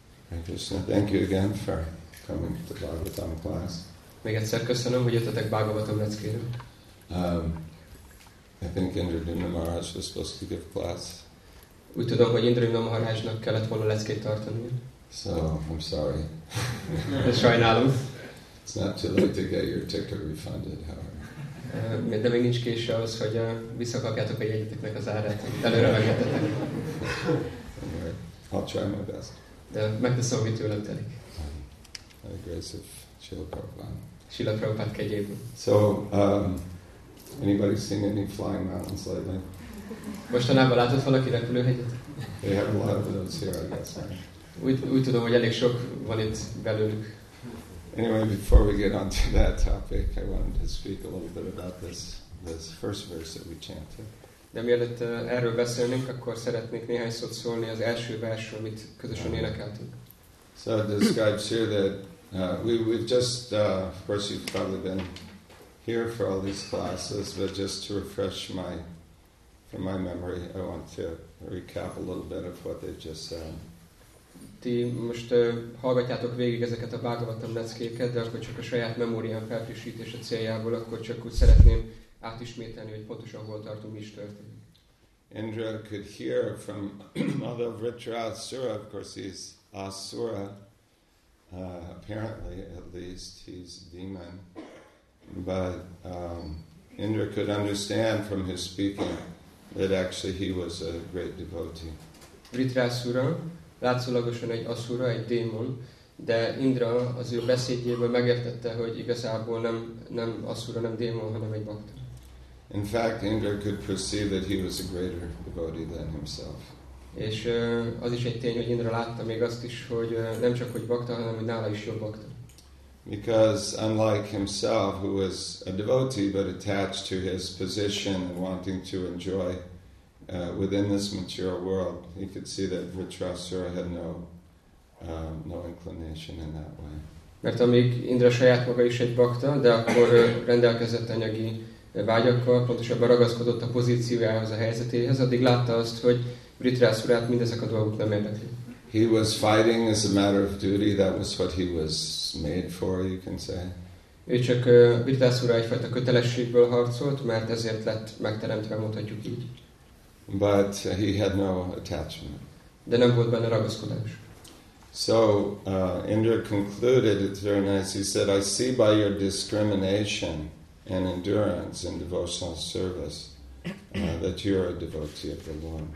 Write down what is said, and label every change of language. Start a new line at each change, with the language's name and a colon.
English: Hare Krishna, thank you again for coming to the Bhagavatam class.
Hungarian: Még egyszer köszönöm, hogy jöttetek Bhagavatam leckére.
English: I think Indradyumna Maharaj was supposed to give class.
Hungarian: Úgy tudom, hogy Indradyumna Maharajnak kellett volna leckét tartani.
English: So, I'm sorry.
Hungarian: Sajnálom.
English: It's not too late to get your ticket refunded, however.
Hungarian: De még nincs késő ahhoz, hogy visszakapjátok a jegyeteknek az árát, amit előre megettetek.
English: I'll try my best.
Hungarian: De megteszem, amit tőlem telik.
English: By the grace of Srila Prabhupada.
Hungarian: Srila Prabhupada kegyében.
English: So, anybody seen any flying mountains lately?
Hungarian: Mostanában látott valaki repülőhegyet?
English: They have a lot of those here, I guess.
Hungarian: Úgy tudom, hogy elég sok van itt belőlük.
English: Anyway, before we get on to that topic, I wanted to speak a little bit about this first verse that we chanted.
Hungarian: De mielőtt erről beszélnénk, akkor szeretnék néhány szót szólni az első versről, amit közösen énekeltünk.
English: So it describes here that of course you've probably been here for all these classes, but just to refresh from my memory, I want to recap a little bit of what they've just said.
Hungarian: Ti most hallgatjátok végig ezeket a Bhagavatam leckéket, de akkor csak a saját memórián felfrissítése céljából, akkor csak úgy szeretném átismételni, hogy pontosan hol tartunk, mi is történik.
English: Indra could hear from Madhav Vritrasura, of course he's Asura, apparently at least he's a demon, but Indra could understand from his speaking that actually he was a great devotee.
Hungarian: Vritrasura, látszólagosan egy asura, egy démon, de Indra az ő beszédjéből megértette, hogy igazából nem asura, nem démon, hanem egy bhakta.
English: In fact, Indra could perceive that he was a greater devotee than himself.
Hungarian: És az is egy tény, hogy Indra látta még azt is, hogy nem csak hogy bhakta, hanem hogy nála is jobb bhakta.
English: Because unlike himself, who was a devotee but attached to his position and wanting to enjoy within this material world, he could see that Vritrasura had no inclination in that way.
Hungarian: Mert amíg Indra saját maga is egy bhakta, de akkor rendelkezett anyagi vágyakkal, pontosabban ragaszkodott a pozíciójához, a helyzetéhez, addig látta azt, hogy Vritrasurát mindezek a dolgok nem érdekli.
English: He was fighting as a matter of duty. That was what he was made for, you can say.
Hungarian: Ő csak Vritrasura egyfajta kötelességből harcolt, mert ezért lett megteremtve, mondhatjuk így.
English: But he had no attachment.
Hungarian: De nem volt benne ragaszkodás.
English: So Indra concluded, it's very nice, he said, I see by your discrimination and endurance in devotional service that you're a devotee of the Lord.